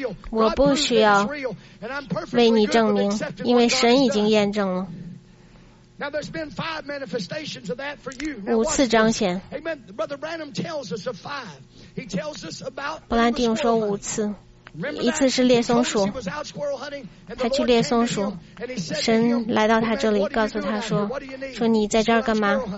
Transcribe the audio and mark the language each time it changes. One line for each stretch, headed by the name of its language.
Chinese: 我不需要为你证明，因为神已经验证了。
English: Now there's been five manifestations of that for you.
Chinese: 五次彰显。
English: Amen. Brother Branham tells us of five. He tells us about.
Chinese: 布兰丁说五次，一次是猎松鼠，他去猎松鼠，神来到他这里，告诉他说，说你在这儿干嘛？